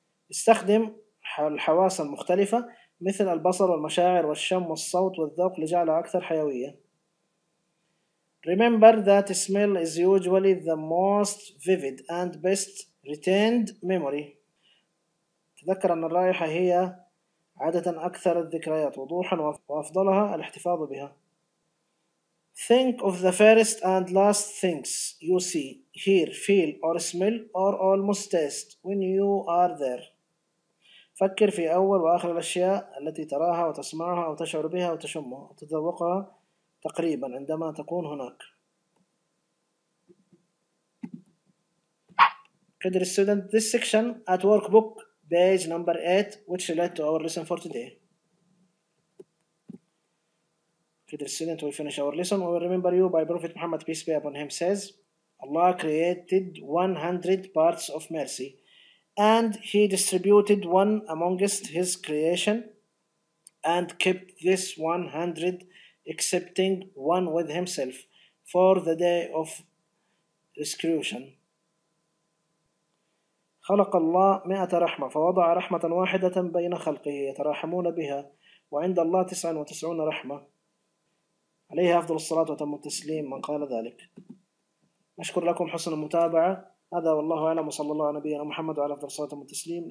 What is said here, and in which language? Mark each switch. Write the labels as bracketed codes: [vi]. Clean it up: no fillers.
[ar] استخدم الحواس المختلفة مثل البصر والمشاعر والشم والصوت والذوق لجعلها أكثر حيوية. [en] Remember that smell is usually the most vivid and best retained memory. [ar] تذكر أن الرائحة هي عادة أكثر الذكريات وضوحا وأفضلها الاحتفاظ بها. [en] Think of the first and last things you see, hear, feel or smell or almost taste when you are there. [ar] فكر في أول وآخر الأشياء التي تراها وتسمعها وتشعر بها وتشمها وتذوقها تقريبا عندما تكون هناك. [en] قدر student this section at workbook page number 8 which led to our lesson for today. قدر student will finish our lesson. We will remember you by Prophet Muhammad peace be upon him says Allah created 100 parts of mercy and he distributed one amongst his creation and kept this 100 excepting one with himself for the day of execution. [ar] خلق الله 100 رحمة فوضع رحمة واحدة بين خلقه يتراحمون بها وعند الله 99 رحمة عليه أفضل الصلاة وتم التسليم من قال ذلك. أشكر لكم حسن المتابعة. هذا والله أعلم وصلى الله على نبينا محمد وعلى أفضل الصلاة وتم التسليم.